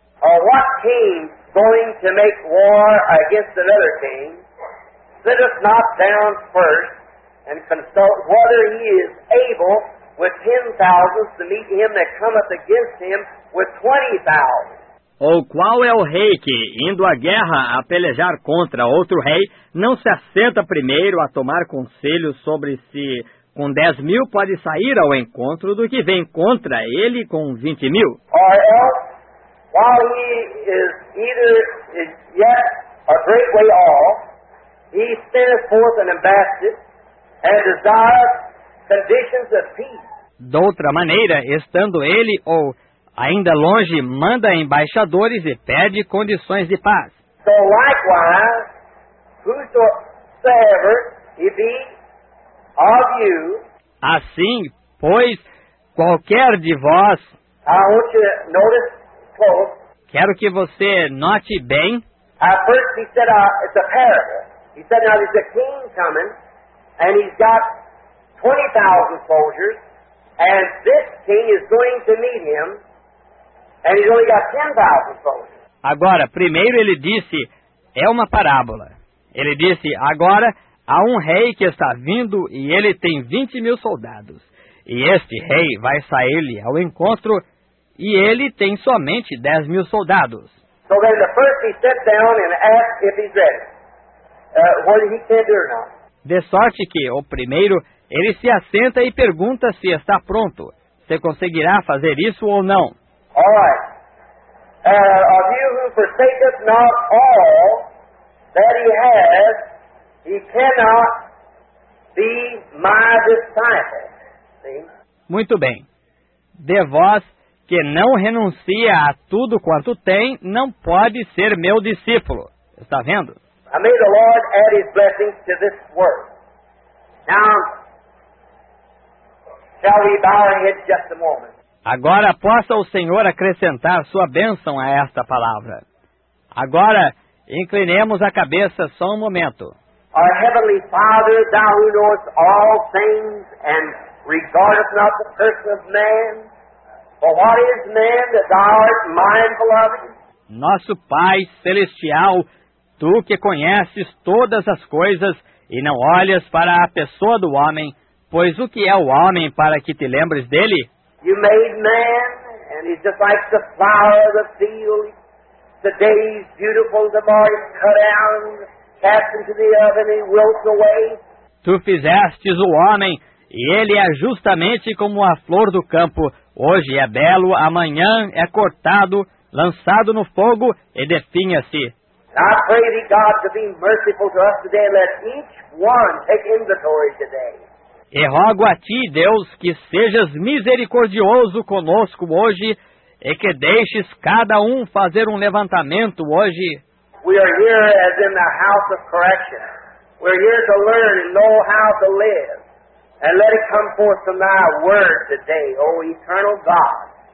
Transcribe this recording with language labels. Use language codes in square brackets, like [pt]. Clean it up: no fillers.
[en] What king going to make war against another king, sitteth not down first, and consult whether he is able with 10,000 to meet him that cometh against him with 20,000. [pt] Ou qual é o rei que, indo à guerra a pelejar contra outro rei, não se assenta primeiro a tomar conselho sobre se com 10,000 pode sair ao encontro do que vem contra ele com 20,000? [en] Or else, while he is either is yet a great way off, he sendeth forth an ambassador and desireth conditions of peace. [pt] De outra maneira, estando ele, ou ainda longe, manda embaixadores e pede condições de paz. [en] So likewise, whosoever he be of you, [pt] assim, pois, qualquer de vós, [en] I want you to notice close, [pt] quero que você note bem, [en] first he said, it's a parable. He said, now there's a king coming, and he's got 20,000 soldiers, and this king is going to meet him, and he's only got 10,000 soldiers. [pt] Agora, primeiro ele disse, é uma parábola. Ele disse, agora há um rei que está vindo e ele tem 20 mil soldados. E este rei vai sair-lhe ao encontro e ele tem somente 10 mil soldados. [en] So then the first he sat down and asked if he's ready. What he can do or not. [pt] De sorte que o primeiro, ele se assenta e pergunta se está pronto. Se conseguirá fazer isso ou não. [en] All right. Of you who forsaketh not all that he has, he cannot be my disciple. See? [pt] Muito bem. De vós que não renuncia a tudo quanto tem, não pode ser meu discípulo. Está vendo? [en] I may the Lord add his blessings to this work. Now, shall we bow our heads just a moment? [pt] Agora possa o Senhor acrescentar sua bênção a esta palavra. Agora, inclinemos a cabeça só um momento. [en] Our Heavenly Father, thou who knowest all things and regardest not the person of man, for what is man that thou art mindful of him? [pt] Nosso Pai Celestial, tu que conheces todas as coisas e não olhas para a pessoa do homem, pois o que é o homem para que te lembres dele? [en] You made man, and he's just like the flower of the field. Today he's beautiful, tomorrow he's cut out, cast into the oven, he wilts away. [pt] Tu fizestes o homem, e ele é justamente como a flor do campo. Hoje é belo, amanhã é cortado, lançado no fogo e definha-se. [en] I pray thee, God, to be merciful to us today, and let each one take inventory today. [pt] E rogo a ti, Deus, que sejas misericordioso conosco hoje e que deixes cada um fazer um levantamento hoje. [en] We are here as in the house of correction. We're here to learn and know how to live. And let it come forth from thy word today, O eternal God.